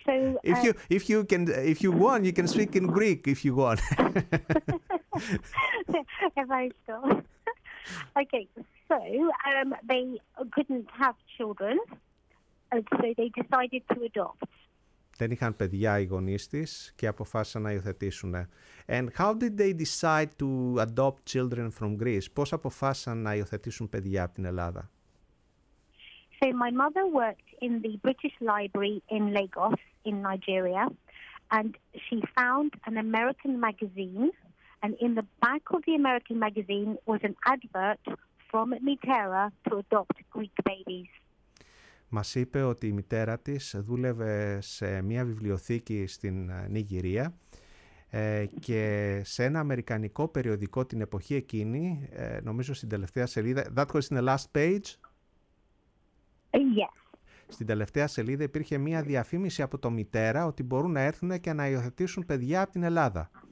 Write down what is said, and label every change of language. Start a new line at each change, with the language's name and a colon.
English: So, if you can speak in Greek if you want.
Greek: Ευχαριστώ.
English: Okay, so they couldn't have children, so they decided to adopt.
Greek: Δεν είχαν παιδιά οι γονείς της και αποφάσισαν να υιοθετήσουν.
English: And how did they decide to adopt children from Greece?
Greek: Πώς αποφάσισαν να υιοθετήσουν παιδιά από την Ελλάδα?
English: So my mother worked in the British Library in Lagos, in Nigeria, and she found an American magazine, and in the back of the American magazine was an advert from Mitera to adopt Greek babies.
Greek: Μας είπε ότι η μητέρα της δούλευε σε μια βιβλιοθήκη στην Νιγηρία και σε ένα αμερικανικό περιοδικό την εποχή εκείνη, νομίζω στην τελευταία σελίδα,
English: that was in the last page,
Greek: στην τελευταία σελίδα υπήρχε μία διαφήμιση από το Μητέρα ότι μπορούν να έρθουν και να υιοθετήσουν παιδιά από την Ελλάδα.